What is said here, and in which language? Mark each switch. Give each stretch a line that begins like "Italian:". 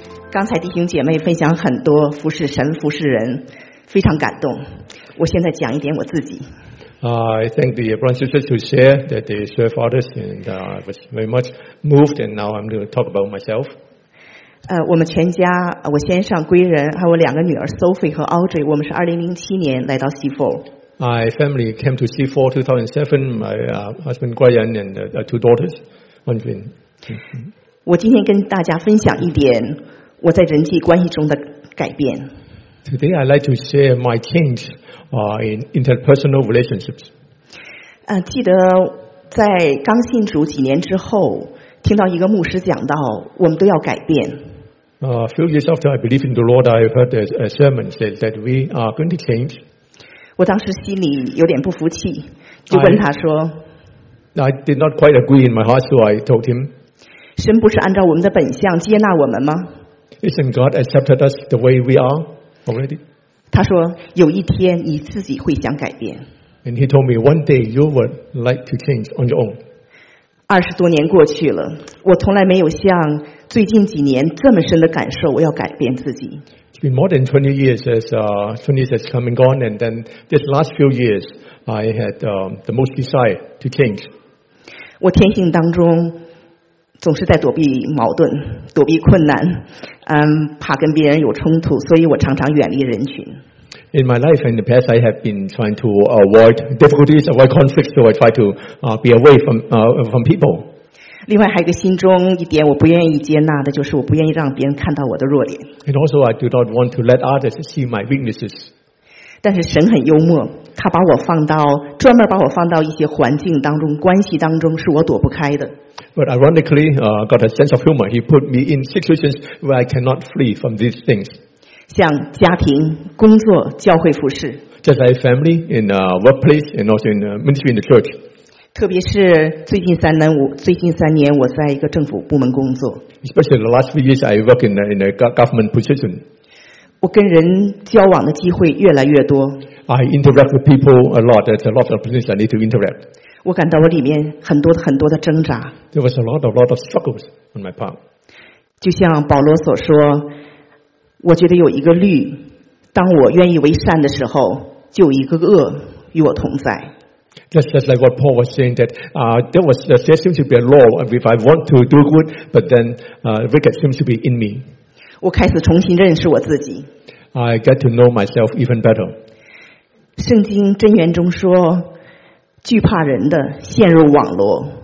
Chinese: 刚才弟兄姐妹分享很多服侍神、服侍人，非常感动。我现在讲一点我自己。
English: I thank the brothers and sisters who share that they serve others, and I was very much moved. And now I'm going to talk about myself.
Chinese: 我们全家，我先生归仁，还有我两个女儿 Sophie 和 Audrey， 我们是2007年来到西佛。
English: My family came to Seoul 2007. My husband Guiyan and two daughters, Wenjun.
Chinese: 我今天跟大家分享一点我在人际关系中的改变。
English: Today I'd like to share my change in interpersonal relationships.
Chinese: 记得在刚信主几年之后，听到一个牧师讲到，我们都要改变。
English: A few years after I believed in the Lord, I heard a sermon said that we are going to change.
Chinese: 我当时心里有点不服气，就问他说。
English: I did not quite agree in my heart, so I told him.
Chinese: 神不是按照我们的本相接纳我们吗
English: ？Isn't God accepted us the way we are? Already?
Chinese: 他说有一天你自己会想改变。
English: And he told me one day you would like to change on your own.
Chinese: 二十多年过去了，我从来没有像最近几年这么深的感受，我要改变自己。
English: It's been more than 20 years as 20 years has come and gone, and then this last few years I had the most desire to change.
Chinese: 我天性当中总是在躲避矛盾，躲避困难。怕跟别人有冲突，所以我常常远离人群。
English: In my life in the past, I have been trying to avoid difficulties, avoid conflicts, so I try to be away from people.
Chinese: 另外还有一个心中一点我不愿意接纳的，就是我不愿意让别人看到我的弱点。
English: And also, I do not want to let others see my weaknesses.
Chinese: 但是神很幽默，他把我放到专门把我放到一些环境当中、关系当中，是我躲不开的。
English: But ironically, got a sense of humor. He put me in situations where I cannot flee from these things.
Chinese: 像家庭、工作、教会服事。
English: Just like family, in a workplace, and also in ministry in the church.
Chinese: 特别是最近三年，我在一个政府部门工作。
English: Especially the last few years, I work in a government position.
Chinese: 我跟人交往的机会越来越多。
English: I interact with people a lot. There's a lot of positions I need to interact.
Chinese: 我感到我里面很多很多的挣扎。
English: There was a lot of struggles on my part.
Chinese: 就像保罗所说，我觉得有一个律，当我愿意为善的时候，就有一个恶与我同在。
English: Just like what Paul was saying, that there seems to be a law, if I want to do good, but then wicked seems to be in me.
Chinese: 我开始重新认识我自己。
English: I get to know myself even better.
Chinese: 圣经箴言中说，惧怕人的陷入网罗。